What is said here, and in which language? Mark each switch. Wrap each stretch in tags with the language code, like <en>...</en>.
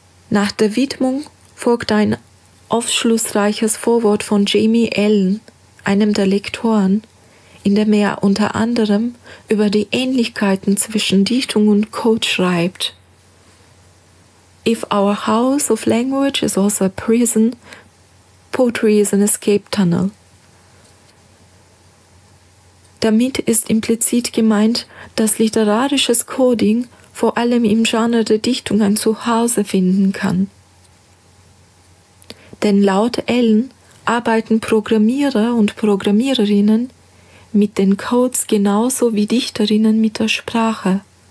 <de>Nach der Widmung folgt ein aufschlussreiches Vorwort von Jamie Allen, einem der Lektoren, in dem er unter anderem über die Ähnlichkeiten zwischen Dichtung und Code schreibt.</de> <en>If our house of language is also a prison, Poetry is an escape tunnel.</en> <de>Damit ist implizit gemeint, dass literarisches Coding vor allem im Genre der Dichtung ein Zuhause finden kann. Denn laut Ellen arbeiten Programmierer und Programmiererinnen mit den Codes genauso wie Dichterinnen mit der Sprache.</de>